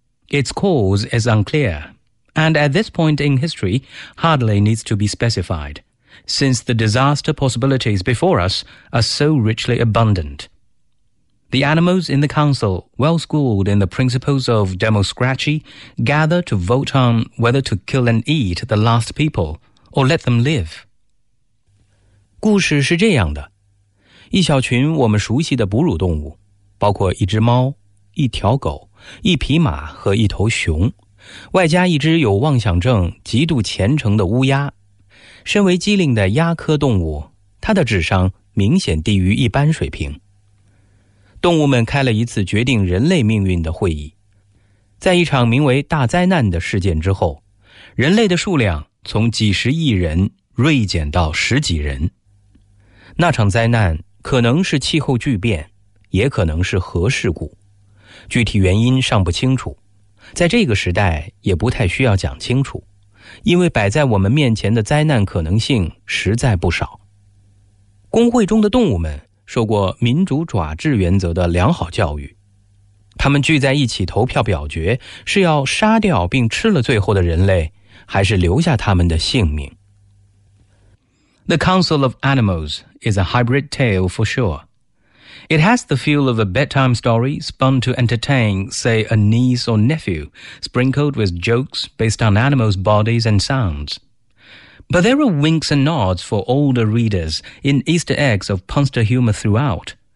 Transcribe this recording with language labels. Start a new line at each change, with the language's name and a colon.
English: Its cause is unclear, and at this point in history, hardly needs to be specified, since the disaster possibilities before us are so richly abundant. The animals in the council, well-schooled in the principles of Demo Scratchy, gather to vote on whether to kill and eat the last people, or let them live.
Chinese: 故事是这样的。一小群我们熟悉的哺乳动物，包括一只猫、一条狗、一匹马和一头熊，外加一只有妄想症、极度虔诚的乌鸦。身为机灵的鸦科动物，它的智商明显低于一般水平。动物们开了一次决定人类命运的会议。在一场名为大灾难的事件之后，人类的数量从几十亿人锐减到十几人。那场灾难可能是气候巨变，也可能是核事故，具体原因尚不清楚，在这个时代也不太需要讲清楚，因为摆在我们面前的灾难可能性实在不少。工会中的动物们受过民主爪制原则的良好教育，他们聚在一起投票表决，是要杀掉并吃了最后的人类，还是留下他们的性命。
English: The Council of Animals is a hybrid tale for sure. It has the feel of a bedtime story spun to entertain, say, a niece or nephew, sprinkled with jokes based on animals' bodies and sounds. But there are winks and nods for older readers in Easter eggs of punster humor throughout.